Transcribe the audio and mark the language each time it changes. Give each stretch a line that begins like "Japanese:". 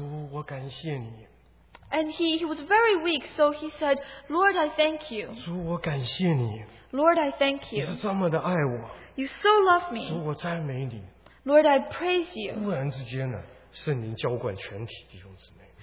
Chinese: 没有什么体力，他是轻轻地喊说：“主，我感谢你。”
English: And he was very weak, so he said, "Lord, I thank you."
Chinese: 主，我感谢你。
English: Lord, I thank you.
Chinese: 你是这么的爱我。
English: You so love me.
Chinese: 主，我赞美你。
English: Lord, I praise you.
Chinese: 忽然之间呢，圣灵浇灌全体弟兄姊妹。